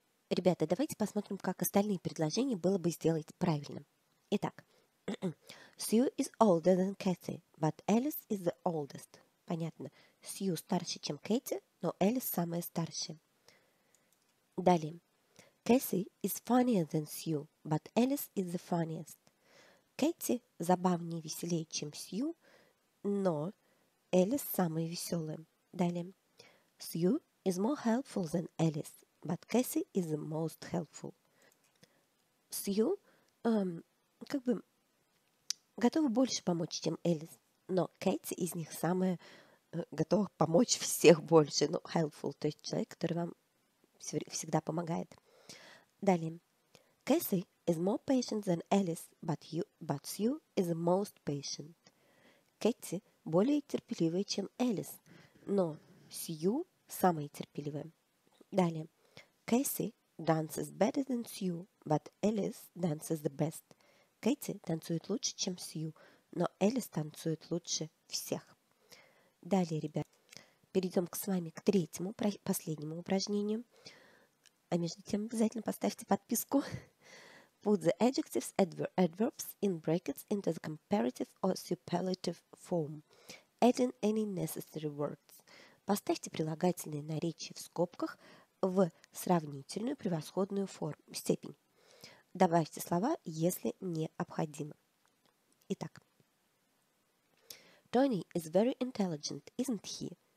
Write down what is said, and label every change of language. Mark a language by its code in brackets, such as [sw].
[ru] Ребята, давайте посмотрим, как остальные предложения было бы сделать правильно. Итак. [en] Sue is older than Cathy, but Alice is the oldest. [ru] Понятно. Sue старше, чем Кэти, но Alice самая старшая. Далее. [en] Cathy is funnier than Sue, but Alice is the funniest. [ru] Кэти забавнее и веселее, чем Сью, но Элис самая веселая. Далее. [en] Sue is more helpful than Alice, but Cathy is the most helpful. [ru] Sue готова больше помочь, чем Элис, но Кэти из них самая готовых помочь всех больше. Ну, helpful, то есть человек, который вам всегда помогает. Далее. [en] Cassie is more patient than Alice, but Sue is the most patient. [ru] Кэти более терпеливая, чем Элис, но Сью самая терпеливая. Далее. [en] Кэти dances better than Sue, but Alice dances the best. [ru] Кэти танцует лучше, чем Сью, но Элис танцует лучше всех. Далее, ребят, перейдем с вами к третьему, последнему упражнению. А между тем обязательно поставьте подписку. [en] Put the adjectives adverbs in brackets into the comparative or superlative form, adding any necessary words. [ru] Поставьте прилагательные наречия в скобках в сравнительную превосходную форму, степень. Добавьте слова, если необходимо. Итак. [en] Tony is very intelligent, isn't he?